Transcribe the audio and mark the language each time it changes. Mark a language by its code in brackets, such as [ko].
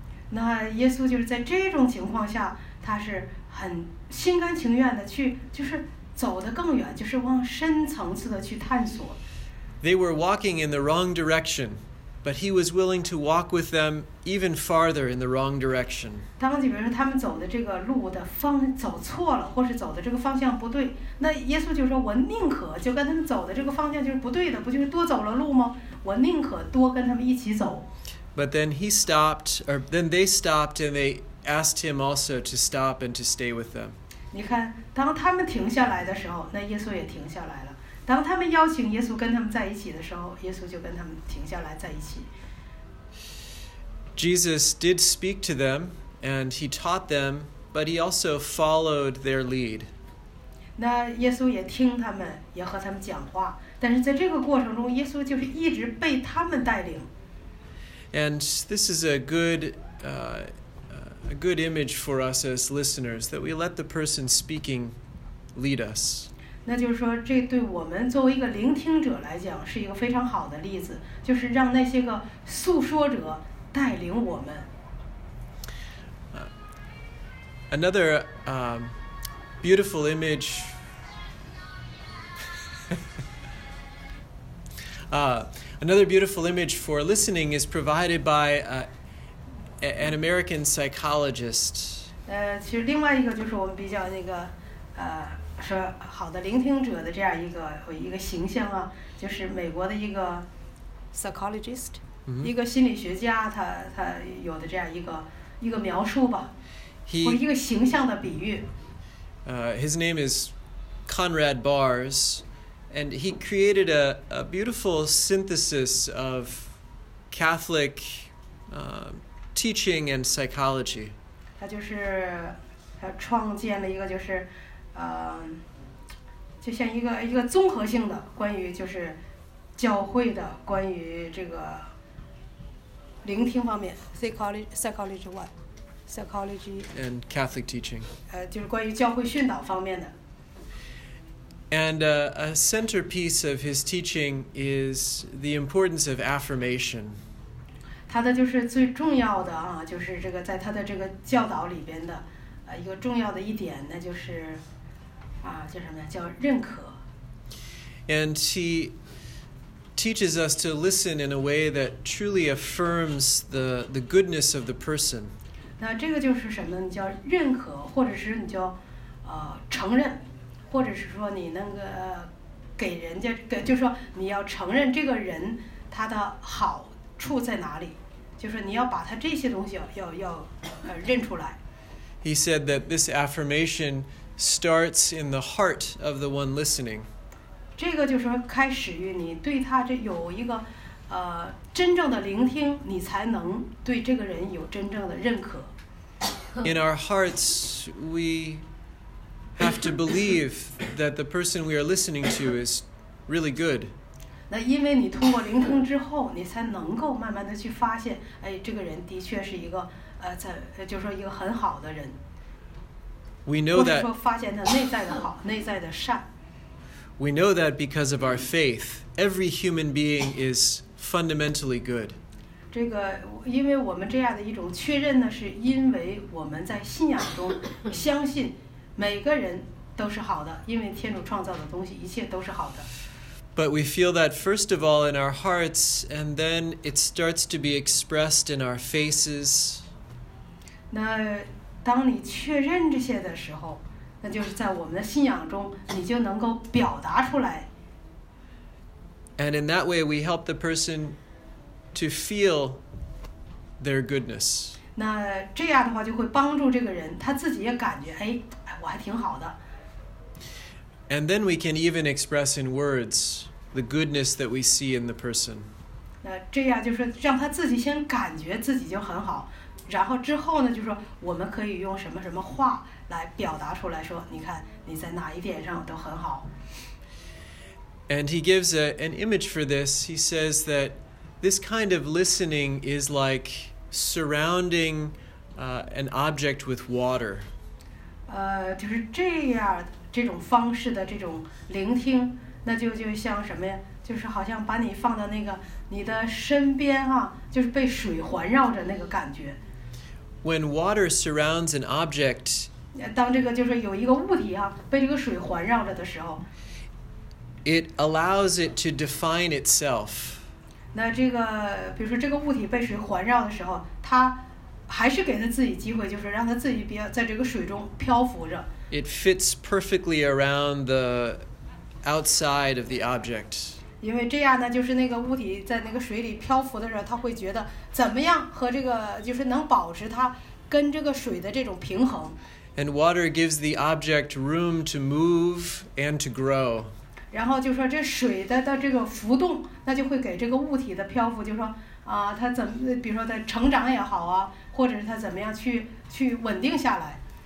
[zh] 那耶稣就是在这种情况下，他是很心甘情愿的去，就是走得更远，就是往深层次的去探索。 [en] They were walking in the wrong direction, but he was willing to walk with them even farther in the wrong direction. [zh] 当比如说他们走的这个路的方走错了，或是走的这个方向不对，那耶稣就说：“我宁可就跟他们走的这个方向就是不对的，不就是多走了路吗？我宁可多跟他们一起走。” [en] But then he stopped, or then they stopped, and they asked him also to stop and to stay with them. [zh] 你看，当他们停下来的时候，那耶稣也停下来了。当他们邀请耶稣跟他们在一起的时候，耶稣就跟他们停下来在一起。 [en] Jesus did speak to them, and he taught them, but he also followed their lead. [zh] 那耶稣也听他们，也和他们讲话，但是在这个过程中，耶稣就是一直被他们带领。 [en] And this is a good image for us as listeners, that we let the person speaking lead us. [zh] 那就是说，这对我们作为一个聆听者来讲，是一个非常好的例子，就是让那些个诉说者带领我们。 [en] Another beautiful image. Another beautiful image for listening is provided by an American psychologist. [zh] 其实另外一个就是我们比较那个说好的聆听者的这样一个形象啊，就是美国的一个 [en] psychologist， [zh] 一个心理学家，他有的这样一个描述吧，或一个形象的比喻。 [en] His name is Conrad Bars. And he created a beautiful synthesis of Catholic teaching and psychology. [zh] 他就是他创建了一个就是就像一个综合性的关于就是教会的关于这个聆听方面 [en] psychology what psychology and Catholic teaching. [zh] 就是关于教会训导方面的。 [en] And a centerpiece of his teaching is the importance of affirmation. [zh] 他的就是最重要的啊，就是这个在他的这个教导里边的，一个重要的一点，那就是，叫什么呢？叫认可。 [en] And he teaches us to listen in a way that truly affirms the goodness of the person. [zh] 那这个就是什么？你叫认可，或者是你叫承认。或者是说你那个给人家给就是说你要承认这个人它的好处在哪里，就是你要把它这些东西认出来。 [en] He said that this affirmation starts in the heart of the one listening. [zh] 这个就是开始于你对他这有一个真正的聆听，你才能对这个人有真正的认可。 [en] In our hearts, we have to believe that the person we are listening to is really good. [zh] 那因为你通过聆听之后，你才能够慢慢的去发现，哎，这个人的确是一个就是说一个很好的人。 [en] We know that. [zh] 或者说发现他内在的好，内在的善。 [en] We know that because of our faith, every human being is fundamentally good. [zh] 这个，因为我们这样的一种确认呢，是因为我们在信仰中相信每个人都是好的，因为天主创造的东西，一切都是好的。 [en] But we feel that first of all in our hearts, and then it starts to be expressed in our faces. [zh] 那当你确认这些的时候，那就是在我们的信仰中，你就能够表达出来。 [en] And in that way, we help the person to feel their goodness. [zh] 那这样的话就会帮助这个人，他自己也感觉，哎，哎，我还挺好的。 [en] And then we can even express in words the goodness that we see in the person. [zh] 那这样就是让他自己先感觉自己就很好，然后之后呢，就是说我们可以用什么什么话来表达出来说，你看你在哪一点上都很好。 [en] And he gives an image for this. He says that this kind of listening is like surrounding an object with water. [zh] 就是这样这种方式的这种聆听，那就像什么呀？就是好像把你放到那个你的身边哈，就是被水环绕着那个感觉。 [en] When water surrounds an object, [zh] 当这个就是有一个物体啊，被这个水环绕着的时候。 [en] It allows it to define itself. [zh] 那这个，比如说这个物体被水环绕的时候，它还是给它自己机会，就是让它自己比较在这个水中漂浮着。 [en] It fits perfectly around the outside of the object. [zh] 因为这样呢，就是那个物体在那个水里漂浮的时候，它会觉得怎么样和这个就是能保持它跟这个水的这种平衡。 [en] And water gives the object room to move and to grow. [zh] 然后就说这水的这个浮动，那就会给这个物体的漂浮，就说啊，它怎么，比如说它成长也好啊，或者是它怎么样去稳定下来。